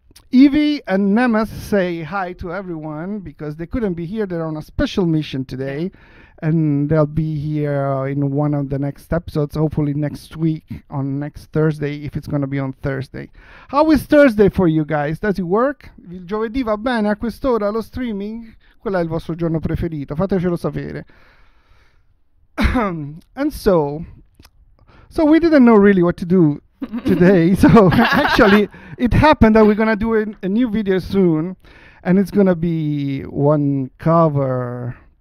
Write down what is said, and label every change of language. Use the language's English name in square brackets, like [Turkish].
[English] Evie and Nemeth say hi to everyone because they couldn't be here. They're on a special mission today, and they'll be here in one of the next episodes, hopefully next week on next Thursday, if it's going to be on Thursday. How is Thursday for you guys? Does it work? [Italian] Il giovedì va bene a quest'ora, lo streaming? Qual è il vostro giorno preferito? Fatecelo sapere. [English] And so we didn't know really what to do today, so actually it happened that we're gonna do a new video soon, and it's gonna be one cover,